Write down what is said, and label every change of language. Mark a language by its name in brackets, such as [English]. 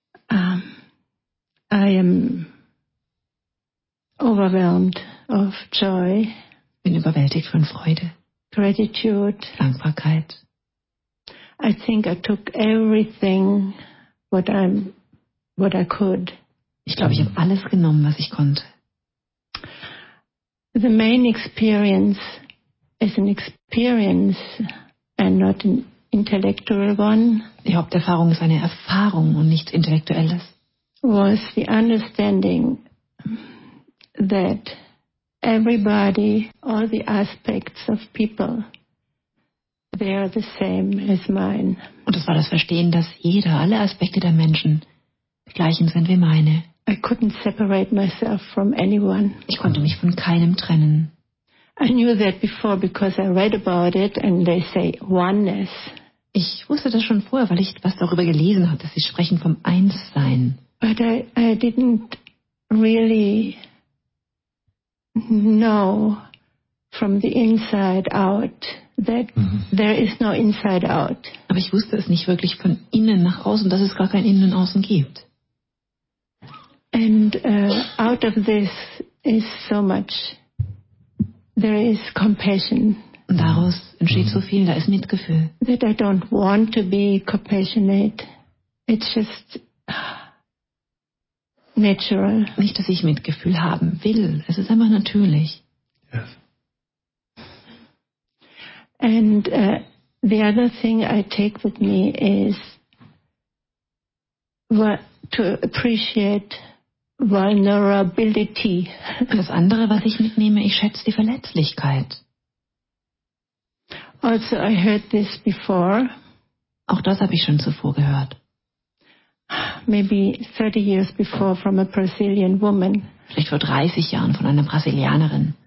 [English] I am overwhelmed of joy. [German] Bin überwältigt von Freude. [English] Gratitude. [German] Dankbarkeit. [English] I think I took everything what I could. [German] Ich glaube, ich habe alles genommen, was ich konnte. [English] The main experience is an experience and not an intellectual one. [German] Die Haupterfahrung ist eine Erfahrung und nichts Intellektuelles. [English] Was the understanding that everybody, all the aspects of people, they are the same as mine. [German] Und das war das Verstehen, dass jeder, alle Aspekte der Menschen, die gleichen sind wie meine. [English] I couldn't separate myself from anyone. [German] Ich konnte mich von keinem trennen. [English] I knew that before because I read about it and they say oneness. [German] Ich wusste das schon vorher, weil ich was darüber gelesen habe, dass sie sprechen vom Einssein. [English] But I didn't really know from the inside out that there is no inside out. [German] Aber ich wusste es nicht wirklich von innen nach außen, dass es gar kein Innen und Außen gibt. [English] And out of this is so much There is compassion. [German] Und daraus entsteht so viel, da ist Mitgefühl. [English] That I don't want to be compassionate. It's just natural. [German] Nicht, dass ich Mitgefühl haben will. Es ist einfach natürlich. [English] Yes. And the other thing I take with me is to appreciate vulnerability. [German] Das andere, was ich mitnehme, ich schätze die Verletzlichkeit. [English] Also I heard this before. [German] Auch das habe ich schon zuvor gehört. [English] Maybe 30 years before from a Brazilian woman. [German] Vielleicht vor 30 Jahren von einer Brasilianerin.